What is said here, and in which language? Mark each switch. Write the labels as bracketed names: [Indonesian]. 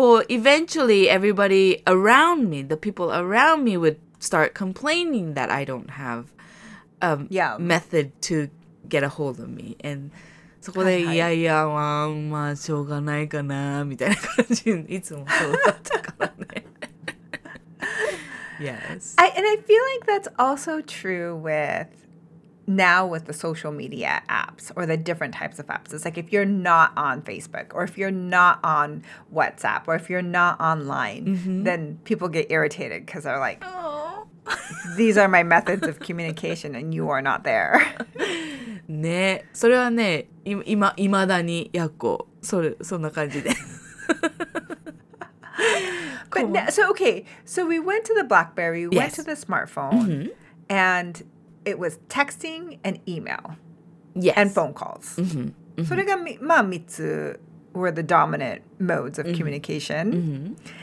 [English] eventually everybody around me, the people around me would start complaining that I don't have a method to get a hold of me. [Japanese] And そこで、はいはい、いやいや、まあ、しょうがないかな、みたいな感じに、いつもそうだったからね。 [English] Yes. And I feel like that's also true with now with the social media apps or the different types of apps. It's like if you're not on Facebook or if you're not on WhatsApp or if you're not online, then people get irritated because they're like, these are my methods of communication and you are not there. [Japanese] ね、それはね、未だにやっこ、そんな感じで。 [English] But now, so okay, so we went to the BlackBerry, we went to the smartphone, and it was texting and email, and phone calls. [Japanese] それがまあ三つ [English] were the dominant modes of communication.